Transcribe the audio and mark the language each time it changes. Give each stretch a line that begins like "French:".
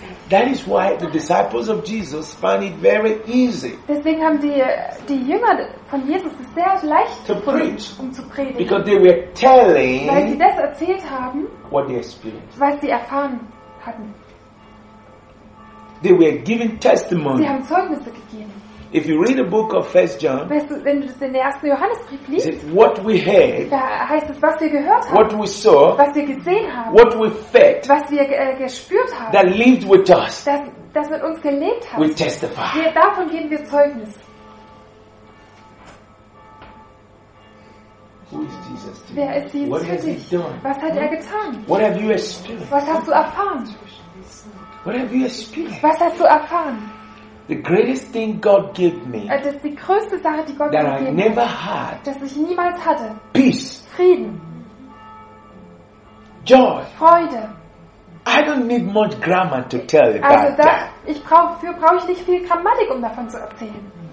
English: That is why the disciples of Jesus found it very easy.
German: Deswegen haben die Jünger von Jesus es sehr leicht
English: to preach,
German: zu predigen.
English: Because they were telling,
German: weil sie das erzählt haben,
English: what they experienced,
German: was sie erfahren hatten.
English: They were giving testimony.
German: Sie haben Zeugnisse gegeben.
English: If you read the book of 1 John,
German: weißt du, wenn du den ersten Johannesbrief liest,
English: what we heard,
German: da heißt es, was wir gehört haben,
English: what we saw,
German: was wir gesehen haben,
English: what we felt,
German: was wir gespürt haben,
English: that lived with us,
German: das mit uns gelebt hat,
English: we testify.
German: Davon geben wir Zeugnis. Wer ist Jesus
English: what
German: für dich?
English: Has he done?
German: Was hat er getan?
English: What have you experienced?
German: Was hast du erfahren?
English: What have you experienced?
German: Was hast du erfahren?
English: The greatest thing God gave me.
German: Das ist die größte Sache, die Gott mir gegeben hat. Dass ich niemals hatte.
English: Peace.
German: Frieden.
English: Joy.
German: Freude.
English: I don't need much grammar to tell you
German: also
English: about that.
German: Brauche ich nicht viel Grammatik, um davon zu erzählen.